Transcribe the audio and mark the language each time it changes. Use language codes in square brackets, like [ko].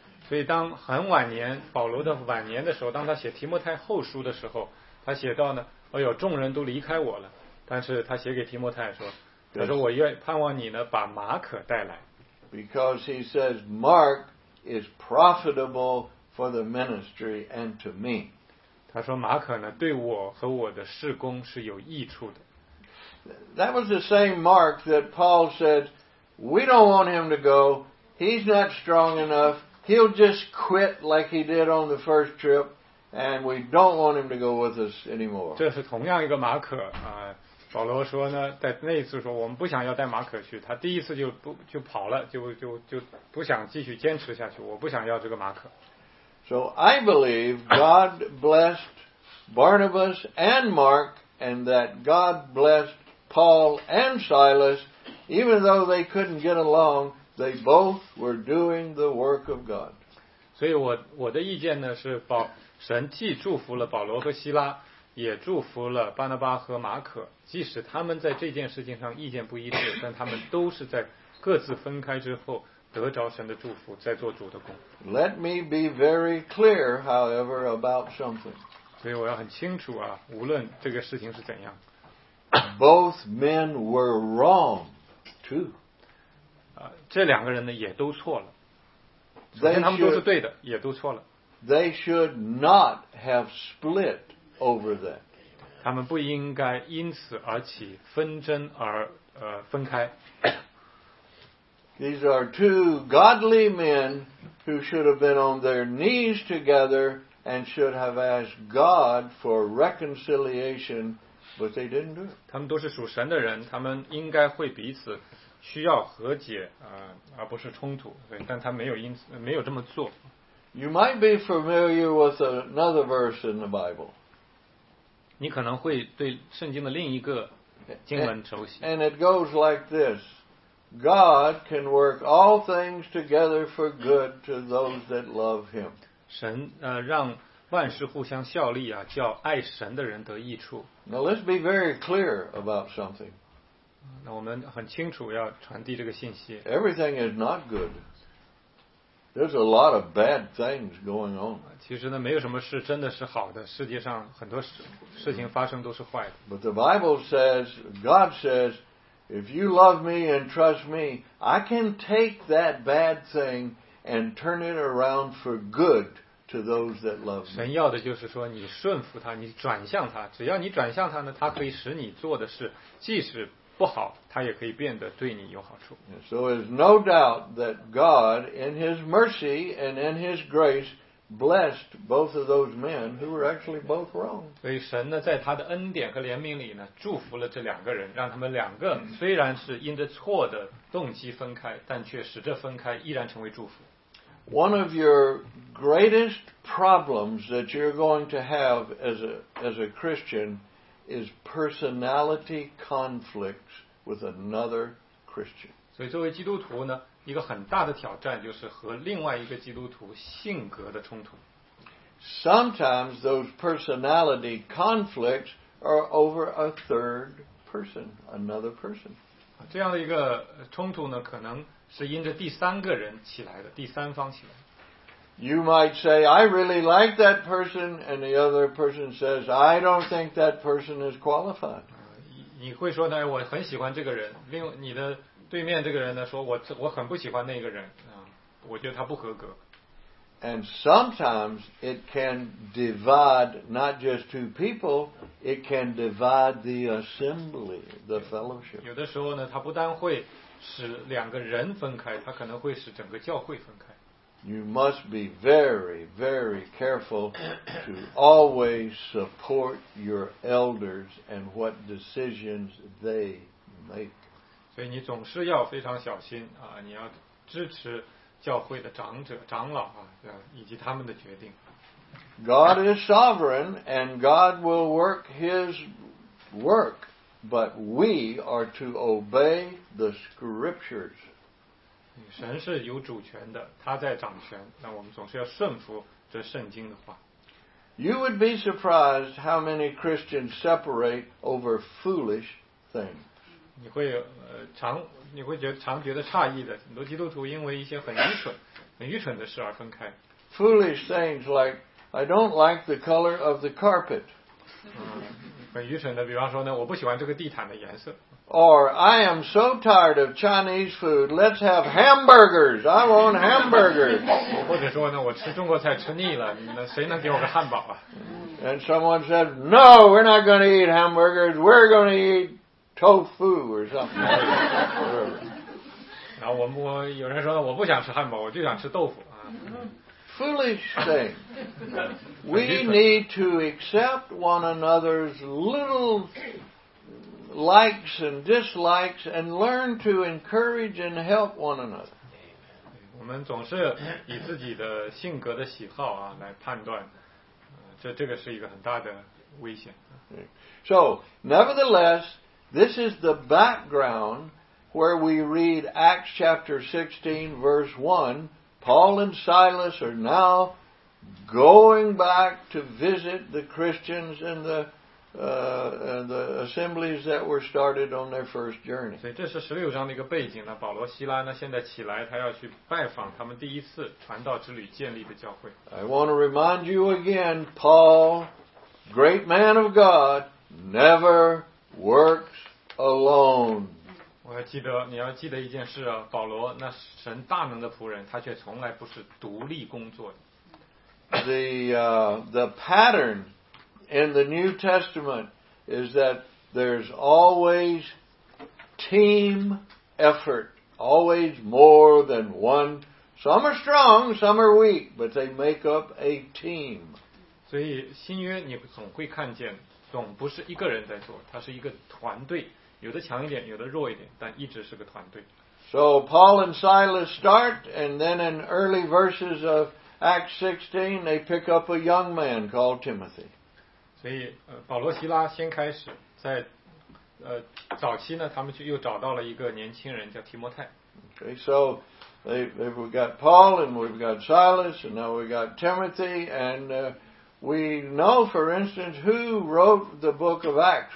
[zh] 所以，当很晚年，保罗的晚年的时候，当他写提摩太后书的时候，他写到呢，哎呦，众人都离开我了，但是他写给提摩太说。他说我愿盼望你呢把马可带来。 [en] Because he says Mark is profitable for the ministry and to me. [zh] 他说马可呢对我和我的事工是有益处的。 [en] That was the same Mark that Paul said, we don't want him to go, he's not strong enough, he'll just quit like he did on the first trip, and we don't want him to go with us anymore. [zh] 这是同样一个马可啊。保罗说呢，在那一次说我们不想要带马可去，他第一次就跑了，就不想继续坚持下去，我不想要这个马可。 [en] So I believe God blessed Barnabas and Mark, and that God blessed Paul and Silas, even though they couldn't get along, they both were doing the work of God. [zh] 所以我的意见呢是神既祝福了保罗和希拉。也祝福了巴拿巴和马可，即使他们在这件事情上意见不一致，但他们都是在各自分开之后得着神的祝福，在做主的工。 [en] Let me be very clear, however, about something. [zh] 所以我要很清楚啊，无论这个事情是怎样。 [en] Both men were wrong, too. [zh] 这两个人呢也都错了。首先他们都是对的，也都错了。 [en] They should not have split. Over that. [zh] 他们不应该因此而起纷争而分开。 [en] These are two godly men who should have been on their knees together and should have asked God for reconciliation, but they didn't do it. [zh] 他们都是属神的人，他们应该会彼此需要和解而不是冲突，但他没有因此没有这么做。 [en] You might be familiar with another verse in the Bible. [zh] 你可能会对圣经的另一个经文熟悉。 [en] And it goes like this. God can work all things together for good to those that love him. [zh] 神让万事互相效力啊，叫爱神的人得益处。 [en] Now let's be very clear about something. [zh] 那我们很清楚要传递这个信息。 [en] Everything is not good. There's a lot of bad things going on. [zh] 其实呢，没有什么事真的是好的，世界上很多事。事情发生都是坏的。 [en] But the Bible says, God says, if you love me and trust me, I can take that bad thing and turn it around for good to those that love me. [zh] 神要的就是说，你顺服他，你转向他。只要你转向他呢，他可以使你做的事，即使不好，他也可以变得对你有好处。 [en] So there's no doubt that God, in His mercy and in His grace, blessed both of those men who were actually both wrong. [zh] 所以神呢，在他的恩典和怜悯里呢，祝福了这两个人，让他们两个虽然是因着错的动机分开，但却使这分开依然成为祝福。 [en] One of your greatest problems that you're going to have as a Christian is personality conflicts with another Christian. [zh] 所以作为基督徒呢，一个很大的挑战就是和另外一个基督徒性格的冲突。 [en] Sometimes those personality conflicts are over a third person, another person. [zh] 这样的一个冲突呢，可能是因着第三个人起来的，第三方起来。 [en] You might say, I really like that person, and the other person says, I don't think that person is qualified. [zh] 你会说呢，我很喜欢这个人，另你的对面这个人呢，说我很不喜欢那个人，我觉得他不合格。 [en] And sometimes it can divide not just two people, it can divide the assembly, the fellowship. [zh] 有的时候呢，他不单会使两个人分开，他可能会使整个教会分开。 [en] You must be very, very careful to always support your elders and what decisions they make. [zh] 所以你总是要非常小心啊，你要支持教会的长者、长老啊，以及他们的决定。 [en] God is sovereign and God will work His work, but we are to obey the scriptures. [zh] 神是有主权的，他在掌权，那我们总是要顺服这圣经的话。 [en] You would be surprised how many Christians separate over foolish things. [zh] 你会觉得诧异的，很多基督徒因为一些很愚蠢的事而分开。 [en] Foolish things like, I don't like the color of the carpet. [zh] 很愚蠢的，比方说呢，我不喜欢这个地毯的颜色。 [en] Or, I am so tired of Chinese food, let's have hamburgers. I want hamburgers. [zh] 或者说呢，我吃中国菜吃腻了，那谁能给我个汉堡啊？ [en] And someone said, no, we're not going to eat hamburgers, we're going to eat tofu or something. [zh] 然后我有人说呢，我不想吃汉堡，我就想吃豆腐。 [en] Foolish thing. We need to accept one another's little likes and dislikes and learn to encourage and help one another. [zh] 我们总是以自己的性格的喜好啊来判断，这个是一个很大的危险。 [en] So, nevertheless, this is the background where we read Acts chapter 16, verse 1. Paul and Silas are now going back to visit the Christians and the assemblies that were started on their first journey. [zh] 所以这是十六章的一个背景呢。保罗、希拉呢，现在起来，他要去拜访他们第一次传道之旅建立的教会。 [en] I want to remind you again, Paul, great man of God, never works alone. [zh] 我要记得，你要记得一件事啊，保罗那神大能的仆人，他却从来不是独立工作的。 [en] The pattern in the New Testament is that there's always team effort, always more than one. Some are strong, some are weak, but they make up a team. [zh] 所以新约你总会看见，总不是一个人在做，他是一个团队。有的强一点，有的弱一点，但一直是个团队。 [en] So Paul and Silas start, and then in early verses of Acts 16, they pick up a young man called Timothy. [zh] 所以，保罗、希拉先开始，在早期呢，他们就又找到了一个年轻人叫提摩太。 [en] Okay, so they've got Paul, and we've got Silas, and now we've got Timothy, and we know, for instance, who wrote the book of Acts?